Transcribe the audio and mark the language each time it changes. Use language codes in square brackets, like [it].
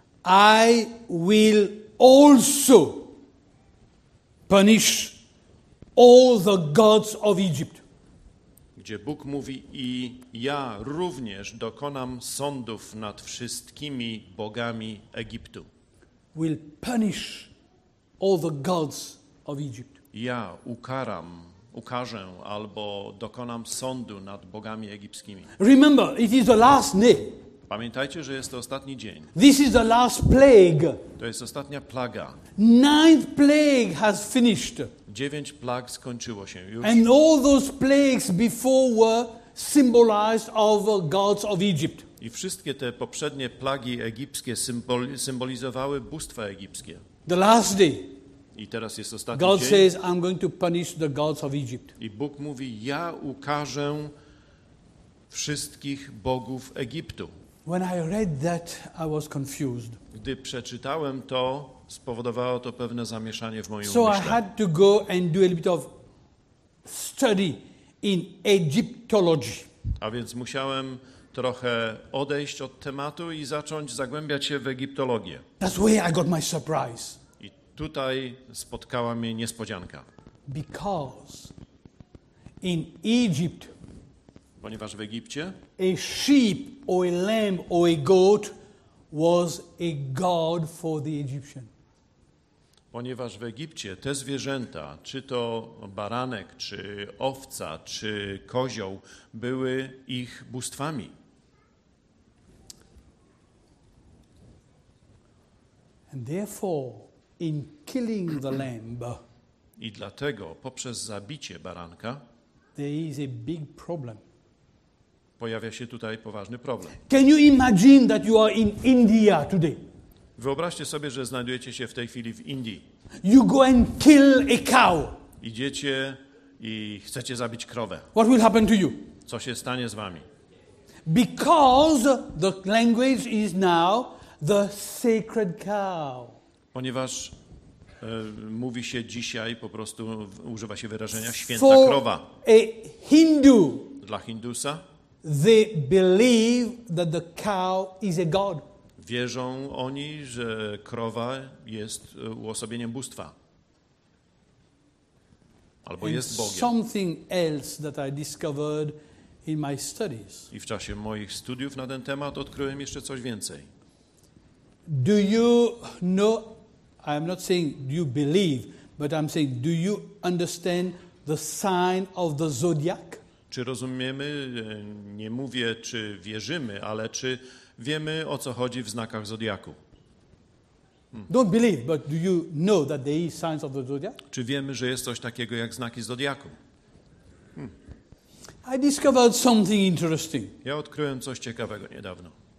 [en] I will also punish all the gods of Egypt. [pl] Gdzie Bóg mówi i ja również dokonam sądów nad wszystkimi bogami Egiptu. [en] Will punish all the gods of Egypt. [pl] Ja ukarzę albo dokonam sądu nad bogami egipskimi. [en] Remember, it is the last day. [pl] Pamiętajcie, że jest to ostatni dzień. [en] This is the last plague. [pl] To jest ostatnia plaga. [en] Ninth plague has finished. [pl] 9 plag skończyło się już. [en] And all those plagues before were symbolized of gods of Egypt. [pl] I wszystkie te poprzednie plagi egipskie symbolizowały bóstwa egipskie. [en] The last day. [pl] I teraz jest ostatni [en] God [pl] dzień. [en] Says, I'm going to punish the gods of Egypt. [pl] I Bóg mówi, ja ukarzę wszystkich bogów Egiptu. [en] When I read that, I was confused. [pl] Gdy przeczytałem to, spowodowało to pewne zamieszanie w moim umyśle. [en] So I had to go and do a little bit of study in Egyptology. [pl] A więc musiałem trochę odejść od tematu i zacząć zagłębiać się w egiptologię. [en] That's where I got my surprise. [pl] Tutaj spotkała mnie niespodzianka. [en] Because in Egypt, [pl] ponieważ w Egipcie, [en] a sheep or a lamb or a goat was a god for the Egyptian. [pl] Ponieważ w Egipcie te zwierzęta, czy to baranek, czy owca, czy kozioł, były ich bóstwami. A [en] And therefore, in killing the lamb, [pl] i dlatego poprzez zabicie baranka [en] there is a big problem. [pl] Pojawia się tutaj poważny problem. [en] Can you imagine that you are in India today? [pl] Wyobraźcie sobie, że znajdujecie się w tej chwili w Indii. [en] You go and kill a cow. [pl] Idziecie i chcecie zabić krowę. [en] What will happen to you? [pl] Co się stanie z wami? [en] Because the language is now the sacred cow. [pl] Ponieważ mówi się dzisiaj, po prostu używa się wyrażenia święta krowa. [en] A Hindu, [pl] dla Hindusa, [en] they believe that the cow is a god. [pl] Wierzą oni, że krowa jest uosobieniem bóstwa. Albo [en] and [pl] jest Bogiem. [en] Something else that I discovered in my studies. [pl] I w czasie moich studiów na ten temat odkryłem jeszcze coś więcej. [en] Do you know, I'm not saying do you believe, but I'm saying do you understand the sign of the zodiac? [pl] Czy rozumiemy, nie mówię czy wierzymy, ale czy wiemy o co chodzi w znakach zodiaku? [en] Don't believe, but do you know that there is signs of the zodiac? [pl] Czy wiemy, że jest coś takiego jak znaki zodiaku? [en] I discovered something interesting. [pl] Ja odkryłem coś ciekawego niedawno.